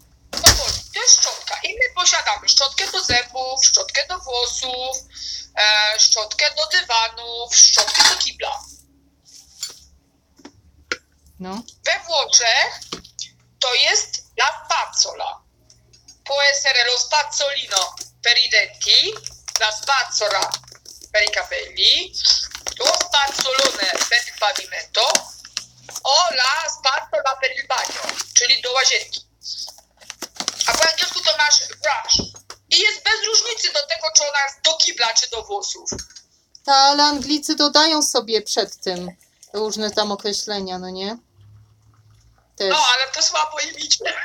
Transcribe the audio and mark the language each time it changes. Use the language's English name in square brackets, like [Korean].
[Polish] Po polsku, to jest szczotka. I my posiadamy szczotkę do zębów, szczotkę do włosów, szczotkę do dywanów, szczotkę do kibla. No. We Włoszech to jest la spazzola. [Italian] Può essere lo spazzolino per i denti, la spazzola per i capelli, lo spazzolone per il pavimento o la spazzola per il bagno, [Polish] czyli do łazienki. A po angielsku to masz brush. I jest bez różnicy do tego, czy ona jest do kibla, czy do włosów. Ta, ale Anglicy dodają sobie przed tym różne tam określenia, no nie? Też. No, ale to słabo im idzie.